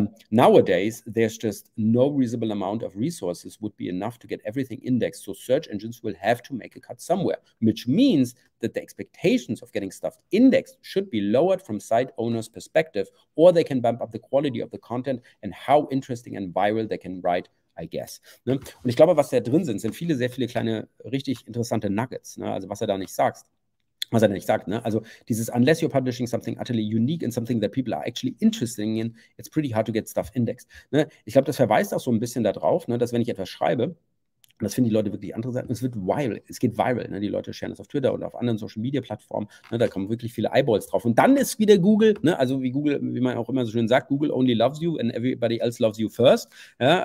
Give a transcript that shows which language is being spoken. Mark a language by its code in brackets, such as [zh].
[en] Nowadays, there's just no reasonable amount of resources would be enough to get everything indexed, so search engines will have to make a cut somewhere, which means that the expectations of getting stuff indexed should be lowered from site owners' perspective, or they can bump up the quality of the content and how interesting and viral they can write, I guess. [de] Ne? Und ich glaube, was da drin sind, sind viele, sehr viele kleine, richtig interessante Nuggets. Ne? Also was er da nicht sagt. Was er da nicht sagt. Ne? Also dieses [en] unless you're publishing something utterly unique and something that people are actually interested in, it's pretty hard to get stuff indexed. [de] Ne? Ich glaube, das verweist auch so ein bisschen darauf, ne, dass wenn ich etwas schreibe, und das finden die Leute wirklich andere Seiten. Es wird viral. Es geht viral. Ne? Die Leute sharen das auf Twitter oder auf anderen Social Media Plattformen. Ne? Da kommen wirklich viele Eyeballs drauf. Und dann ist wieder Google, ne? Also wie Google, wie man auch immer so schön sagt, [en] Google only loves you and everybody else loves you first. [de] Ja?